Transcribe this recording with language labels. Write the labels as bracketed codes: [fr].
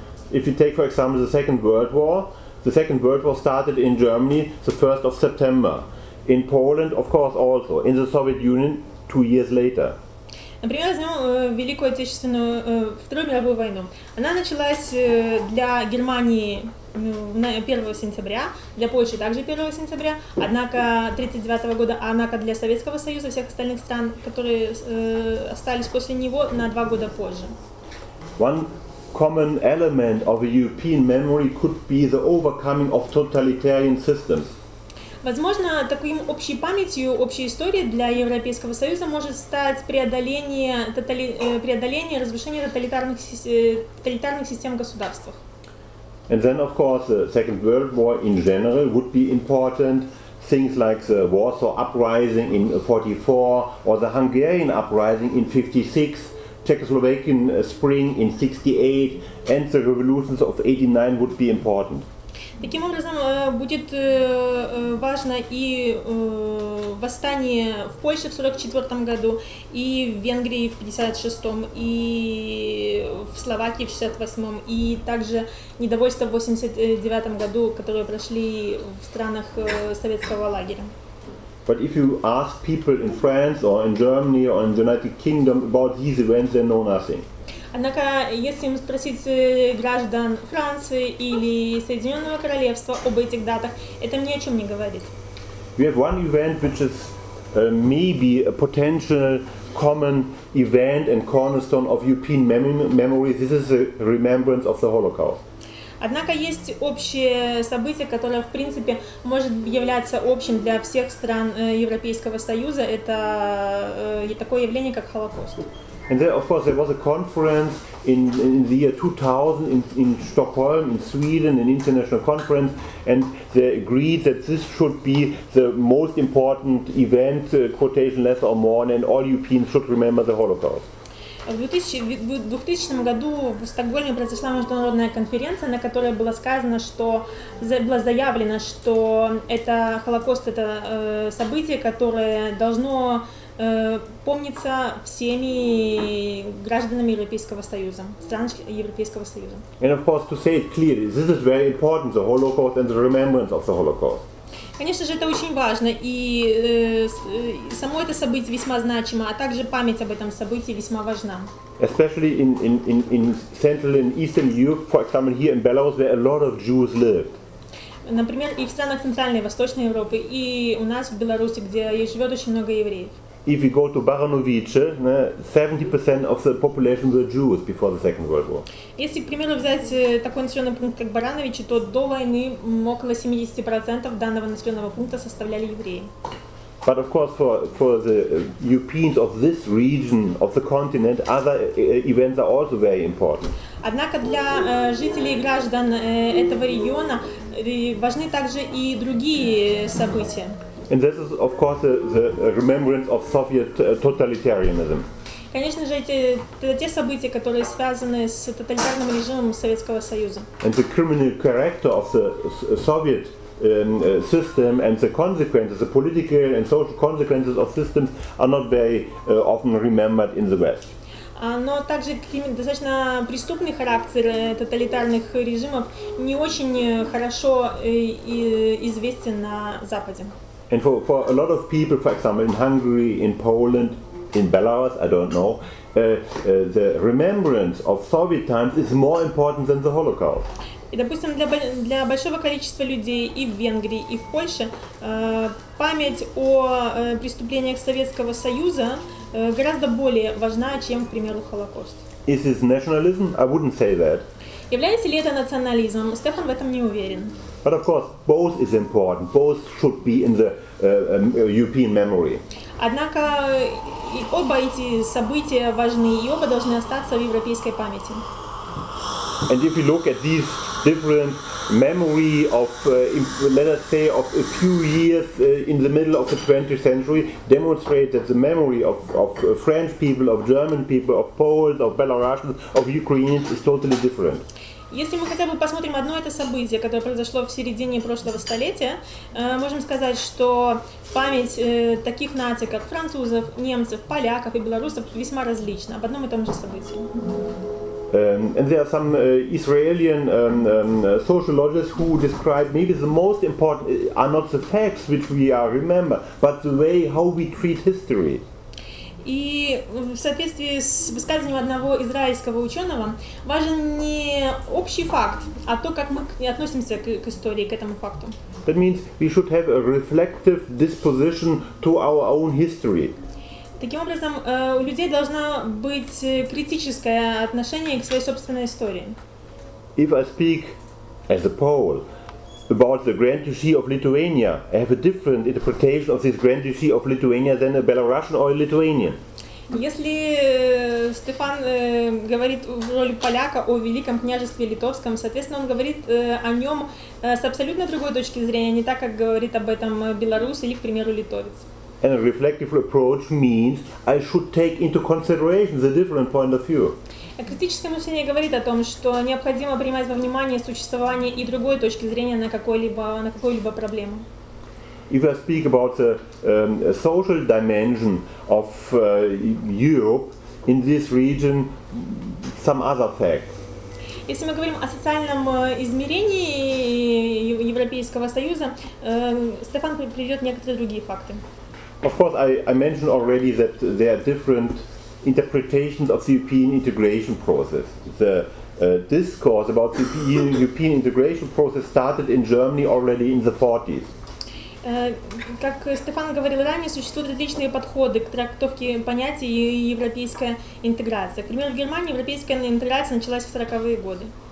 [en] If you take, for example, the Second World War started in Germany the 1st of September. In Poland, of course, also. In the Soviet Union, 2 years later. [ru] Например, возьмем Великую Отечественную, Вторую мировую войну. Она началась для Германии 1 сентября, для Польши также 1 сентября, однако 1939 года, однако для Советского Союза и всех остальных стран, которые остались после него, на 2 года позже. [en] One common element of a European memory could be the overcoming of totalitarian systems. [ru] Возможно, такой общей памятью, общей историей для Европейского Союза может стать преодоление, разрушение тоталитарных систем государств. [en] And then, of course, the Second World War in general would be important. Things like the Warsaw Uprising in 1944 or the Hungarian Uprising in 1956, Czechoslovakian Spring in 1968 and the revolutions of 1989 would be important. [ru] Таким образом, будет важно и восстание в Польше в 1944 году, и в Венгрии в 1956, и в Словакии в 1968, и также недовольство в 1989 году, которое прошли в странах советского лагеря. [en] But if you ask people in France or in Germany or in the United Kingdom about these events, they know nothing. [ru] Однако, если им спросить граждан Франции или Соединенного Королевства об этих датах, это ни о чем не говорит. [en] We have one event which is maybe a potential common event and cornerstone of European memory. This is the remembrance of the Holocaust. [ru] Однако есть общее событие, которое, в принципе, может являться общим для всех стран Европейского Союза. Это такое явление, как Холокост. [en] And then, of course, there was a conference in the year 2000 in Stockholm, in Sweden, an international conference, and they agreed that this should be the most important event, quotation less or more, and all Europeans should remember the Holocaust. [ru] В 2000 году в Стокгольме произошла международная конференция, на которой было сказано, что было заявлено, что это Холокост, это событие, которое должно помнится всеми гражданами Европейского Союза, стран Европейского Союза. [en] And of course, to say it clearly, this is very important, the Holocaust and the remembrance of the Holocaust. [ru] Конечно же, это очень важно, и само это событие весьма значимо, а также память об этом событии весьма важна. [en] Especially in Central and Eastern Europe, for example, here in Belarus, where a lot of Jews lived. [ru] Например, и в странах Центральной и Восточной Европы, и у нас в Беларуси, где живет очень много евреев. [en] If you go to Baranovice, 70% of the population were Jews before the Second World War. [ru] Если, к примеру, взять такой населенный пункт, как Барановичи, то до войны около 70% данного населенного пункта составляли евреи. [en] But of course, for the Europeans of this region, of the continent, other events are also very important. [ru] Однако для жителей и граждан этого региона важны также и другие события. [en] And this is, of course, the remembrance of Soviet totalitarianism. [ru] Конечно же, это те события, которые связаны с тоталитарным режимом Советского Союза. [en] And the criminal character of the Soviet system and the consequences, the political and social consequences of systems are not very often remembered in the West. [ru] Но также достаточно преступный характер тоталитарных режимов не очень хорошо известен на Западе. [en] And for a lot of people, for example, in Hungary, in Poland, in Belarus, I don't know, the remembrance of Soviet times is more important than the Holocaust. [ru] И, допустим, для большого количества людей и в Венгрии, и в Польше, память о преступлениях Советского Союза гораздо более важна, чем, к примеру, Холокост. [en] Is this nationalism? I wouldn't say that. [ru] Является ли это национализмом? Стефан в этом не уверен. [en] But of course, both is important. Both should be in the European memory. [ru] Однако и оба эти события важны, и оба должны остаться в европейской памяти. [en] And if you look at these different memory of, let us say, of a few years in the middle of the 20th century demonstrate that the memory of French people, of German people, of Poles, of Belarusians, of Ukrainians is totally different. [ru] Если мы хотя бы посмотрим одно это событие, которое произошло в середине прошлого столетия, можем сказать, что память таких наций, как французов, немцев, поляков и белорусов, весьма различна об одном и том же событии. [en] And there are some Israeli sociologists who describe maybe the most important are not the facts which we are remember, but the way how we treat history. [ru] И в соответствии с высказыванием одного израильского ученого, важен не общий факт, а то, как мы относимся к истории, к этому факту. [en] That means we should have a reflective disposition to our own history. [ru] Таким образом, у людей должно быть критическое отношение к своей собственной истории. [en] If I speak as a Pole about the Grand Duchy of Lithuania, I have a different interpretation of this Grand Duchy of Lithuania than a Belarusian or a Lithuanian. [ru] Если Стефан говорит в роли поляка о Великом княжестве Литовском, соответственно, он говорит о нем с абсолютно другой точки зрения, не так, как говорит об этом белорус или, к примеру, литовец. [en] And a reflective approach means I should take into consideration the different point of view. [ru] Критическое мышление говорит о том, что необходимо принимать во внимание существование и другой точки зрения на какую-либо проблему. [en] If I speak about the social dimension of Europe in this region, some other facts. [ru] Если мы говорим о социальном измерении Европейского Союза, Стефан приведет некоторые другие факты. [en] Of course, I mentioned already that there are different interpretations of the European integration process. The discourse about the European integration process started in Germany already in the 40s. [ru] Как Стефан говорил ранее, существуют различные подходы к трактовке понятия европейская интеграция. К примеру, в Германии европейская интеграция началась в 40-е годы.